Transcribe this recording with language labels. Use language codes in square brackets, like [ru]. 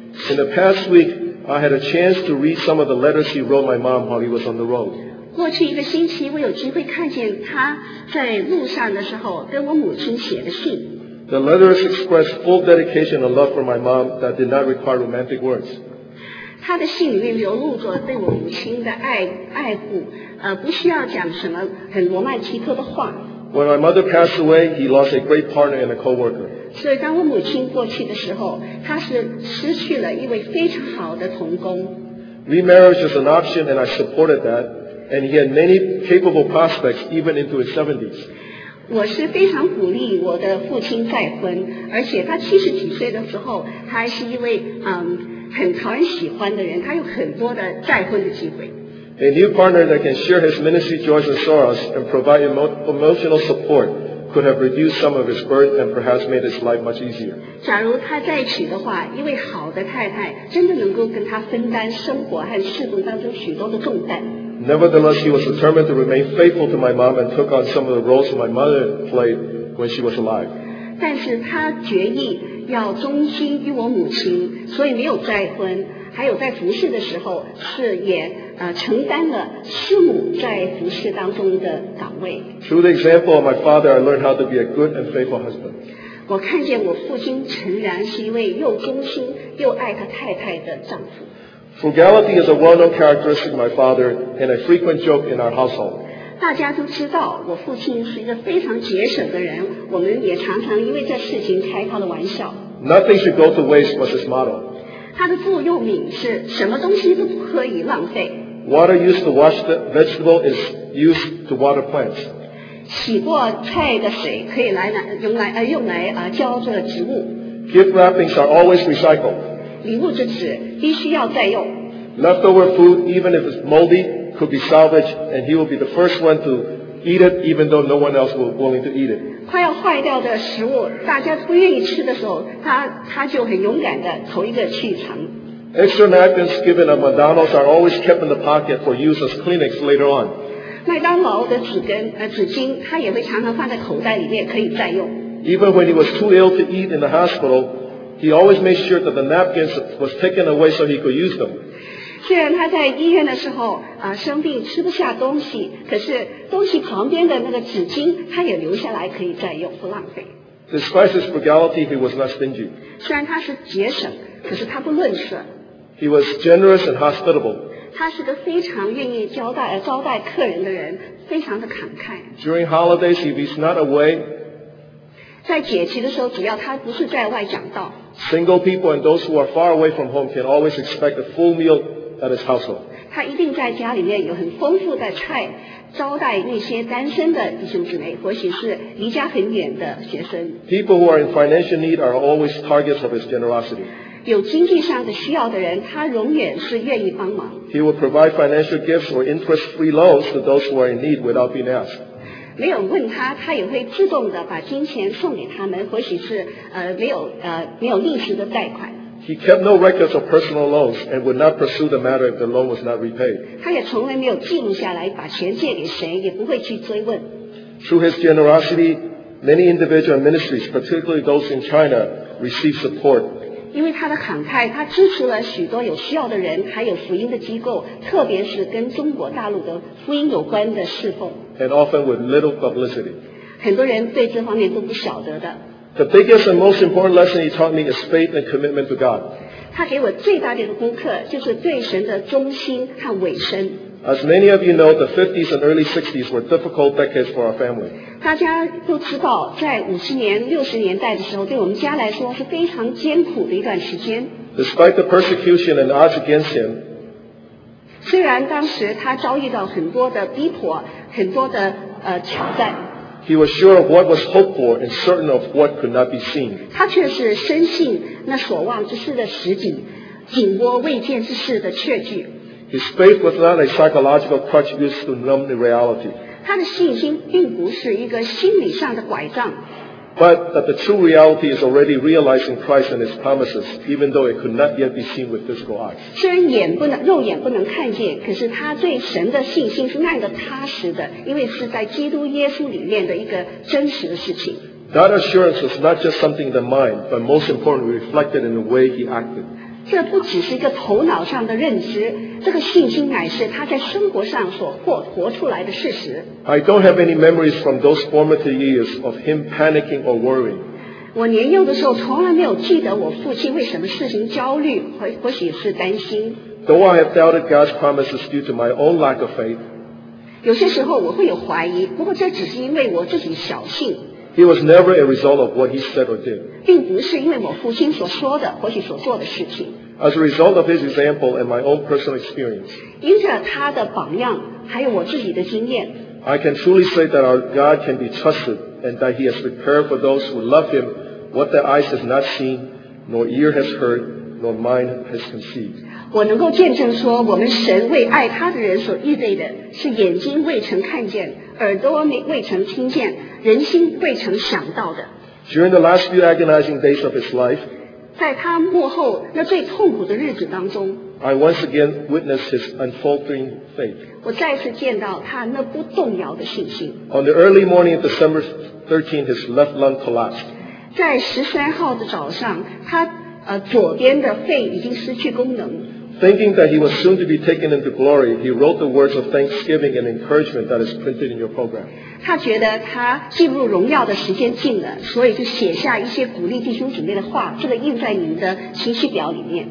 [en] In the past week, I had a chance to read some of the letters he wrote my mom while he was on the road. [zh] 过去一个星期，我有机会看见他在路上的时候跟我母亲写的信。 [en] The letters expressed full dedication and love for my mom that did not require romantic words. [zh] 他的信里面流露着对我母亲的爱护，不需要讲什么很罗曼蒂克的话。 [en] When my mother passed away, he lost a great partner and a co-worker. [zh] 所以当我母亲过去的时候，他是失去了一位非常好的同工。 [en] Remarriage is an option and I supported that, and he had many capable prospects even into his 70s. [zh] 我是非常鼓励我的父亲再婚，而且他七十几岁的时候，他还是一位很讨人喜欢的人，他有很多的再婚的机会。 [en] A new partner that can share his ministry joys and sorrows and provide emotional support could have reduced some of his burden and perhaps made his life much easier. [zh] 假如他再娶的话，一位好的太太真的能够跟他分担生活和侍奉当中许多的重担。 [en] Nevertheless, he was determined to remain faithful to my mom and took on some of the roles my mother played when she was alive. [zh] 但是他决意要忠心于我母亲，所以没有再婚，还有在服侍的时候是也承担了师母在服事当中的岗位。 [en] Through the example of my father, I learned how to be a good and faithful husband. [zh] 我看见我父亲诚然是一位又忠心又爱他太太的丈夫。 [en] Frugality is a well-known characteristic of my father and a frequent joke in our household. [zh] 大家都知道我父亲是一个非常节省的人，我们也常常因为这事情开他的玩笑。 [en] Nothing should go to waste was his motto. [zh] 他的座右铭是什么东西都不可以浪费。 [en] Water used to wash the vegetable is used to water plants. [zh] 洗过菜的水可以来用来浇这植物。 [en] Gift wrappings are always recycled. [zh] 礼物之纸必须要再用。 [en] Leftover food, even if it's moldy, could be salvaged, and he will be the first one to eat it, even though no one else will be willing to eat it. [zh] 快要坏掉的食物，大家不愿意吃的时候，他就很勇敢的头一个去尝。 [en] Extra napkins given at McDonald's are always kept in the pocket for use as Kleenex later on. [zh] 麦当劳的纸巾，他也会常常放在口袋里面，可以再用。 [en] Even when he was too ill to eat in the hospital. He always made sure that the napkins was taken away so he could use them. [zh] 虽然他在医院的时候生病吃不下东西，可是东西旁边的那个纸巾他也留下来可以再用，不浪费。 [en] Despite his frugality, he was not stingy. [zh] 虽然他是节省，可是他不论舍。 [en] He was generous and hospitable. [zh] 他是个非常愿意招待客人的人，非常的慷慨。 [en] During holidays, if he's not away, [zh] 在节期的时候，只要他不是在外讲道。 [en] Single people and those who are far away from home can always expect a full meal at his household. [zh] 他一定在家里面有很丰富的菜，招待那些单身的弟兄姊妹，或许是离家很远的学生。 [en] People who are in financial need are always targets of his generosity. [zh] 有经济上的需要的人，他永远是愿意帮忙。 [en] He will provide financial gifts or interest-free loans to those who are in need without being asked. [zh] 没有问他也会自动的把金钱送给他们，或许是没有利息的贷款。 [en] He kept no records of personal loans and would not pursue the matter if the loan was not repaid. [zh] 他也从来没有记录下来把钱借给谁，也不会去追问。 [en] Through his generosity, many individual ministries, particularly those in China, received support. [zh] 因为他的慷慨，他支持了许多有需要的人，还有福音的机构，特别是跟中国大陆的福音有关的侍奉。 [en] And often with little publicity. [zh] 很多人对这方面都不晓得的。 [en] The biggest and most important lesson he taught me is faith and commitment to God. [zh] 他给我最大的功课就是对神的忠心和委身。 [en] As many of you know, the 50s and early 60s were difficult decades for our family. [zh] 大家都知道，在50年、60年代的时候，对我们家来说是非常艰苦的一段时间。 [en] Despite the persecution and odds against him, [zh] 虽然当时他遭遇到很多的逼迫。很多的挑战。 [en] He was sure of what was hoped for and certain of what could not be seen. [zh] 他却是深信那所望之事的实景，紧握未见之事的确据。 [en] His faith was not a psychological crutch used to numb the reality. [zh] 他的信心并不是一个心理上的拐杖。 [en] But that the true reality is already realized in Christ and His promises, even though it could not yet be seen with physical eyes. [zh] 虽然肉眼不能看见，可是他对神的信心是那样的踏实的，因为是在基督耶稣里面的一个真实的事情。 [en] That assurance was not just something in the mind, but most importantly reflected in the way he acted. [zh] 这不只是一个头脑上的认知，这个信心乃是他在生活上所活出来的事实。 [en] I don't have any memories from those formative years of him panicking or worrying. [zh] 我年幼的时候从来没有记得我父亲为什么事情焦虑，或许是担心。 [en] Though I have doubted God's promises due to my own lack of faith, [zh] 有些时候我会有怀疑，不过这只是因为我自己小性。 [en] He was never a result of what he said or did. [zh] 并不是因为我父亲所说的，或许所做的事情。 [en] As a result of his example and my own personal experience, [zh] 因着他的榜样，还有我自己的经验， [en] I can truly say that our God can be trusted and that he has prepared for those who love him what their eyes have not seen, nor ear has heard, nor mind has conceived. [zh] 我能够见证说，我们神为爱他的人所预备的是眼睛未曾看见，耳朵未曾听见，人心未曾想到的。 [en] During the last few agonizing days of his life, [zh] 在他幕后那最痛苦的日子当中， [en] I once again witnessed his unfaltering faith. [zh] 我再次见到他那不动摇的信心。 [en] On the early morning of December 13, his left lung collapsed. [zh] 在13号的早上，他左边的肺已经失去功能。 [en] Thinking that he was soon to be taken into glory, he wrote the words of thanksgiving and encouragement that is printed in your program. [zh] 他觉得他进入荣耀的时间近了，所以就写下一些鼓励弟兄姊妹的话，这个印在你们的情绪表里面。